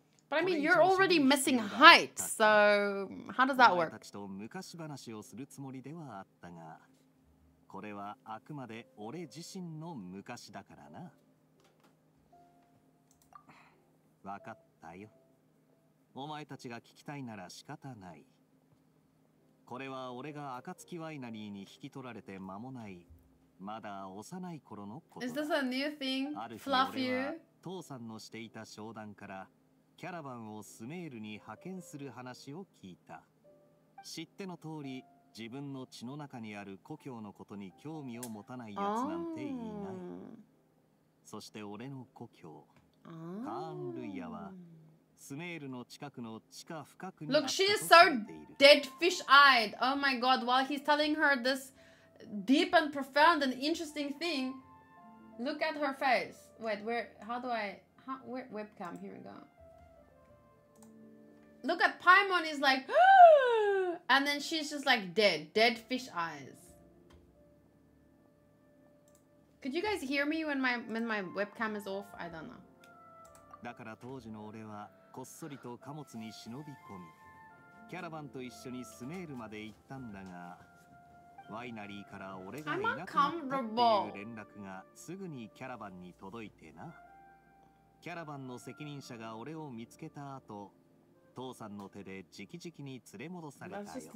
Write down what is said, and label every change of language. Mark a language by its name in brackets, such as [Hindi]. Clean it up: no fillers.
[English] But I mean, you're already missing height, so how does that work? [Japanese] お前たちと昔話をするつもりではあったが。これはあくまで俺自身の昔だからな。わかったよ。お前たちが聞きたいなら仕方ない。これは俺が暁ワイナリーに引き取られて間もない、まだ幼い頃のことだ。 [English] Is this a new thing? [Japanese] ある日俺は父さんのしていた商談からキャラバンをスメールに派遣する話を聞いた。知っての通り、自分の血の中にある故郷のことに興味を持たない奴なんていない。 Oh. そして俺の故郷、 oh. カーンルイヤはスメールの近くの地下深くに。 [English] Look, she is so dead fish-eyed. Oh my god, while he's telling her this deep and profound and interesting thing, look at her face. Wait, where, how do I, how, where, webcam, here we go. Look at Paimon is like, and then she's just like dead, dead fish eyes. Could you guys hear me when my webcam is off? I don't know. [Japanese] だから当時の俺はこっそりと貨物に忍び込み、キャラバンと一緒にスメールまで行ったんだが、ワイナリーから俺がいなくなったっていう連絡がすぐにキャラバンに届いてな。キャラバンの責任者が俺を見つけた後、父さんの手で直々に連れ戻されたよ。